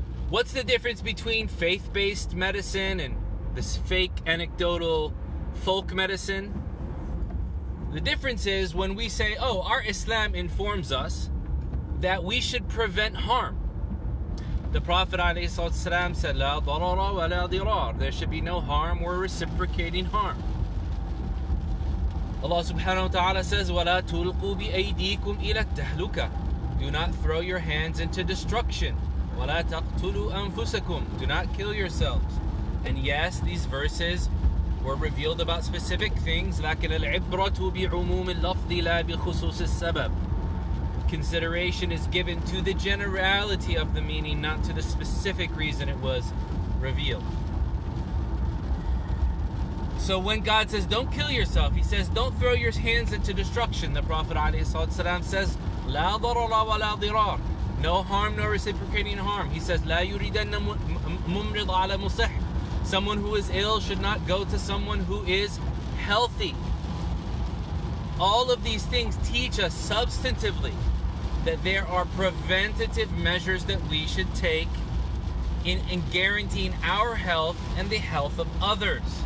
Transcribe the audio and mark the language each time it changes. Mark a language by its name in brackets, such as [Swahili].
[English] What's the difference between faith-based medicine and this fake anecdotal folk medicine? The difference is when we say, oh, our Islam informs us that we should prevent harm. The Prophet ﷺ said, [Arabic] لا ضرر ولا ضرار. [English] There should be no harm or reciprocating harm. Allah subhanahu wa ta'ala says, [Arabic] وَلَا تُلْقُوا بِأَيْدِيكُمْ إِلَى التَّهْلُكَةِ. [English] Do not throw your hands into destruction. [Arabic] وَلَا تَقْتُلُوا أَنفُسَكُمْ. [English] Do not kill yourselves. And yes, these verses were revealed about specific things. [Arabic] لكن العبرة بعموم اللفظ لا بخصوص السبب. [English] Consideration is given to the generality of the meaning, not to the specific reason it was revealed. So when God says, don't kill yourself, He says, don't throw your hands into destruction. The Prophet ﷺ says, [Arabic] لا ضرر ولا ضرار. [English] No harm, no reciprocating harm. He says, [Arabic] لا يريدن ممرض على مصح. [English] Someone who is ill should not go to someone who is healthy. All of these things teach us substantively that there are preventative measures that we should take in guaranteeing our health and the health of others.